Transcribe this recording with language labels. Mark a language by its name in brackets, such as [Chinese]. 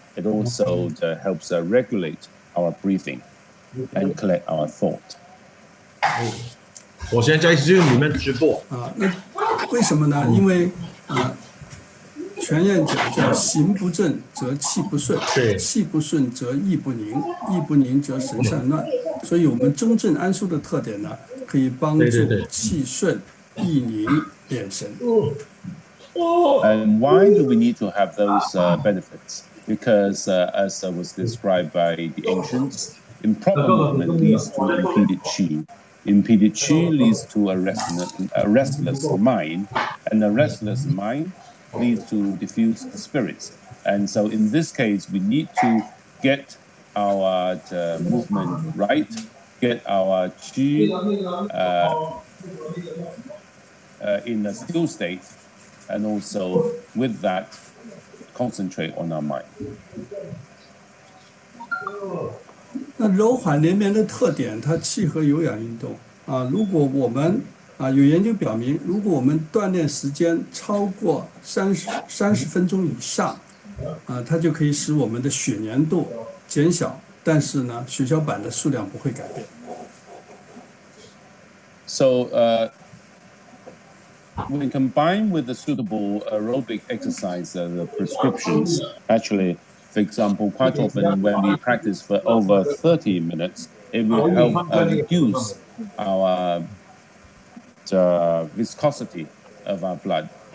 [English] It also helps regulate our breathing and collect our thought. [Chinese] 我现在在 Zoom 里面直播。那为什么呢？因为全院讲叫行不正则气不顺，气不顺则意不宁，意不宁则神散乱。所以我们中正安舒的特点呢，可以帮助气顺、意宁、敛神。 [English] And why do we need to have those benefits? Because as was described by the ancients, improper movement leads to impeded qi. Impeded qi leads to a restless mind, and a restless mind leads to diffused spirits. And so in this case, we need to get our movement right, get our qi in a still state, and also with that, concentrate on our mind. [Chinese] 那柔缓连绵的特点，它契合有氧运动啊。如果我们啊有研究表明，如果我们锻炼时间超过三十分钟以上，啊，它就可以使我们的血粘度减小，但是呢，血小板的数量不会改变。 [English] So, when combined with the suitable aerobic exercise, the prescriptions actually. For example, quite often when we practice for over 30 minutes, it will help reduce our viscosity of our blood.